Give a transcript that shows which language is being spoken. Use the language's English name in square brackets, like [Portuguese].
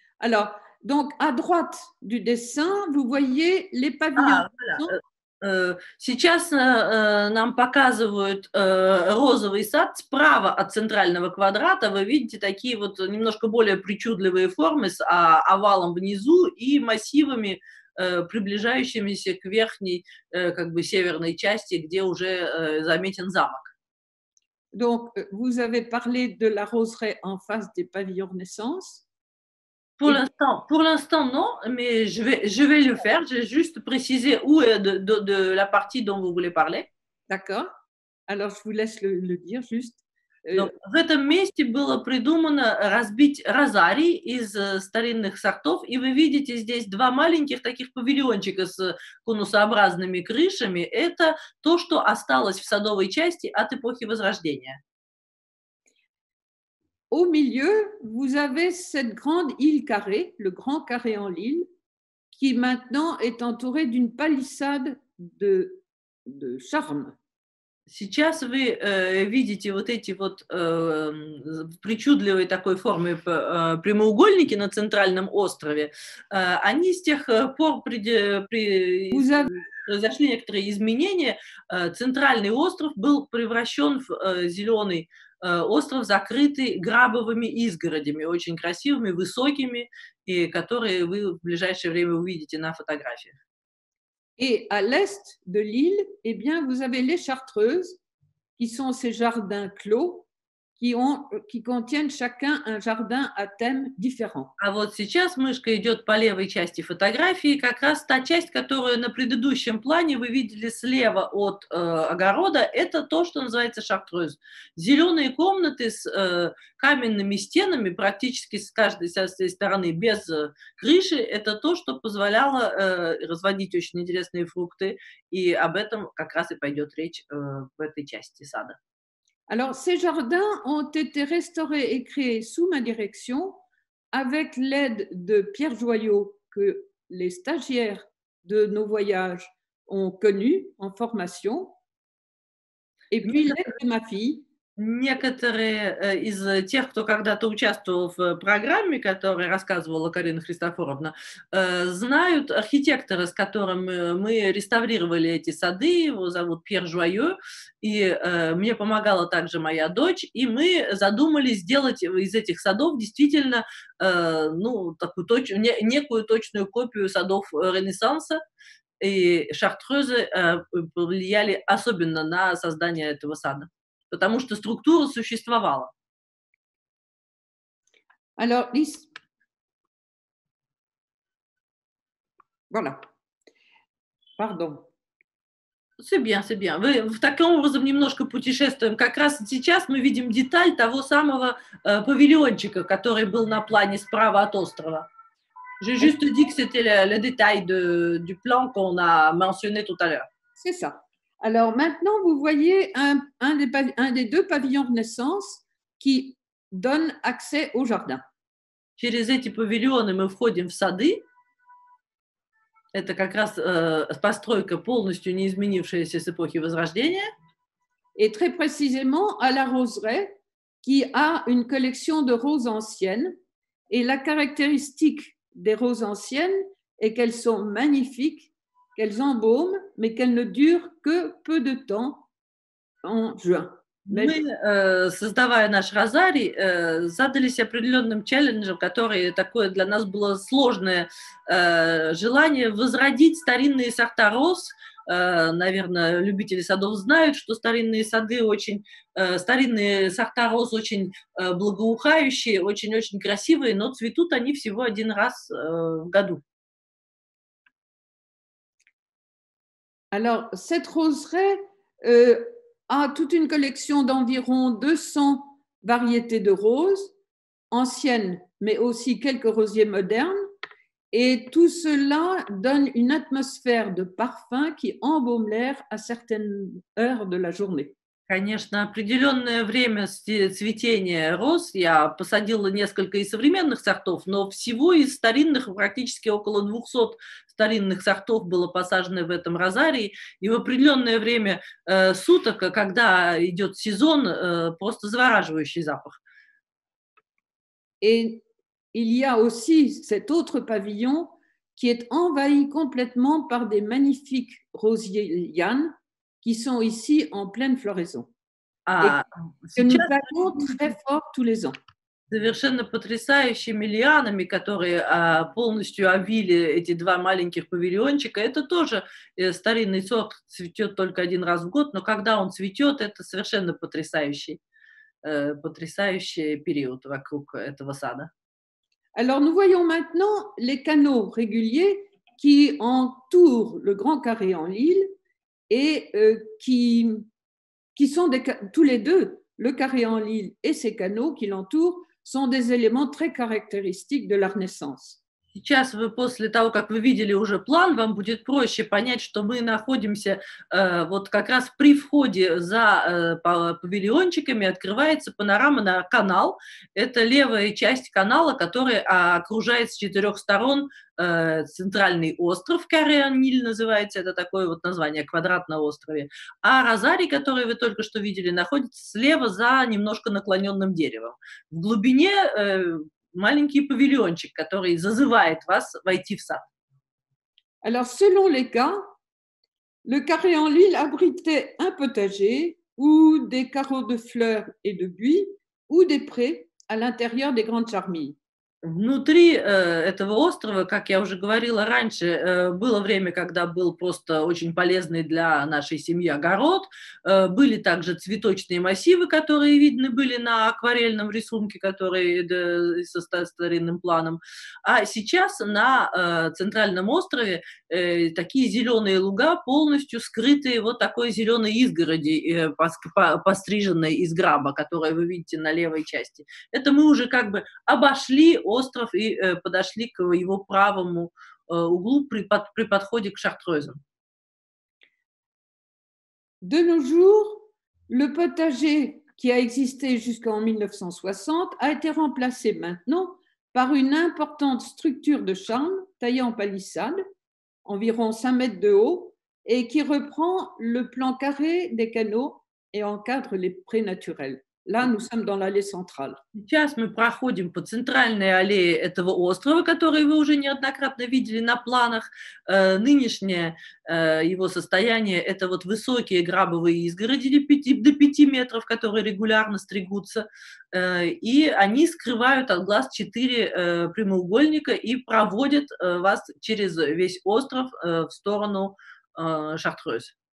[French] Alors, donc, à droite du dessin, vous voyez les pavillons. Ah, voilà. [Russian] Сейчас нам показывают розовый сад справа от центрального квадрата. Вы видите такие вот немножко более причудливые формы с овалом внизу и массивами, приближающимися к верхней, как бы северной части, где уже заметен замок. [French] Donc, vous avez parlé de la roseraie en face des pavillons Renaissance. Pour l'instant, non, mais je vais le faire. J'ai juste précisé où est de la partie dont vous voulez parler. D'accord. Alors, je vous laisse le dire juste. Donc, [Russian] в этом месте было придумано разбить розарий из старинных сортов, и вы видите здесь два маленьких таких павильончика с конусообразными крышами. Это то, что осталось в садовой части от эпохи Возрождения. [French] Au milieu, vous avez cette grande île carrée, le grand carré en lille, qui maintenant est entourée d'une palissade de charme. [Russian] Сейчас вы видите вот эти вот причудливые такой формы прямоугольники на центральном острове. Они с тех пор произошли некоторые изменения. Центральный остров был превращен в зеленый остров, закрытый грабовыми изгородями, очень красивыми, высокими, и которые вы в ближайшее время увидите на фотографиях. [French] Et à l'est de l'île, eh bien, vous avez les Chartreuses, qui sont ces jardins clos, qui contiennent chacun un jardin à thème différent. [Russian] А вот сейчас мышка идет по левой части фотографии, как раз та часть, которую на предыдущем плане вы видели слева от огорода, это то, что называется Chartreuse. Зеленые комнаты с каменными стенами, практически с каждой стороны без крыши, это то, что позволяло разводить очень интересные фрукты, и об этом как раз и пойдет речь в этой части сада. [French] Alors, ces jardins ont été restaurés et créés sous ma direction avec l'aide de Pierre Joyot, que les stagiaires de nos voyages ont connu en formation, et puis l'aide de ma fille. [Russian] Некоторые из тех, кто когда-то участвовал в программе, которую рассказывала Карина Христофоровна, знают архитектора, с которым мы реставрировали эти сады, его зовут Пьер Жуайо, и мне помогала также моя дочь, и мы задумали сделать из этих садов действительно некую точную копию садов Ренессанса, и Шартрёзы повлияли особенно на создание этого сада. Потому что структура существовала. [French] Alors, voilà. Pardon. C'est bien, [Russian] мы в таком образом немножко путешествуем. Как раз сейчас мы видим деталь того самого павильончика, который был на плане справа от острова. [French] J'ai juste dit que c'était le détail du plan qu'on a mentionné tout à l'heure. C'est ça. Alors maintenant, vous voyez un des deux pavillons Renaissance qui donne accès au jardin. [Russian] Через эти павильоны мы входим в сады. Это как раз постройка, полностью не изменившаяся с эпохи Возрождения. [French] Et très précisément à la roseraie, qui a une collection de roses anciennes. Et la caractéristique des roses anciennes est qu'elles sont magnifiques, qu'elles embaument, mais qu'elles ne durent que peu de temps en juin. [Russian] Мы, создавая наш розарий, задались определенным челленджем, который такое для нас было сложное желание возродить старинные сорта роз. Наверное, любители садов знают, что старинные сады очень, старинные сорта роз очень благоухающие, очень-очень красивые, но цветут они всего один раз в году. [French] Alors, cette roseraie a toute une collection d'environ 200 variétés de roses, anciennes, mais aussi quelques rosiers modernes. Et tout cela donne une atmosphère de parfum qui embaume l'air à certaines heures de la journée. [Russian] Конечно, определенное время цветения роз я посадила несколько из современных сортов, но всего из старинных, практически около 200 старинных сортов было посажено в этом розарии. И в определенное время суток, когда идет сезон, просто завораживающий запах. [French] Et il y a aussi cet autre pavillon qui est envahi complètement par des magnifiques rosiers Yann, qui sont ici en pleine floraison. Nous avons très fort tous les ans. [Russian] Совершенно потрясающими лианами, которые полностью обвили эти два маленьких павильончика. Это тоже старинный сорт, цветет только один раз в год, но когда он цветет, это совершенно потрясающий период вокруг этого сада. [French] Alors nous voyons maintenant les canaux réguliers qui entourent le grand carré en Lille. Et qui sont des, tous les deux, le carré en Lille et ses canaux qui l'entourent, sont des éléments très caractéristiques de la Renaissance. [Russian] Сейчас, после того, как вы видели уже план, вам будет проще понять, что мы находимся вот как раз при входе за павильончиками, открывается панорама на канал. Это левая часть канала, которая окружает с четырех сторон центральный остров, Карен-Ниль называется, это такое вот название, квадрат на острове. А розарий, который вы только что видели, находится слева за немножко наклоненным деревом. В глубине... маленький павильончик, который зазывает вас войти в сад. [French] Alors, selon les cas, le carré en Lille abritait un potager ou des carreaux de fleurs et de buis ou des prés à l'intérieur des grandes charmilles. [Russian] Внутри этого острова, как я уже говорила раньше, было время, когда был просто очень полезный для нашей семьи огород. Были также цветочные массивы, которые видны были на акварельном рисунке, который со старинным планом. А сейчас на центральном острове такие зеленые луга, полностью скрытые вот такой зеленой изгороди, постриженной из граба, которую вы видите на левой части. Это мы уже как бы обошли остров и подошли к его правому углу при подходе к Шартрёзу. [French] De nos jours, le potager qui a existé jusqu'en 1960 a été remplacé maintenant par une importante structure de charme taillée en palissade, environ 5 mètres de haut, et qui reprend le plan carré des canaux et encadre les prés naturels. Là, nous sommes dans l'allée centrale. [Russian] Сейчас мы проходим по центральной аллее этого острова, который вы уже неоднократно видели на планах. Нынешнее его состояние – это вот высокие грабовые изгороди до 5 метров, которые регулярно стригутся. И они скрывают от глаз 4 прямоугольника и проводят вас через весь остров в сторону Шартрёз.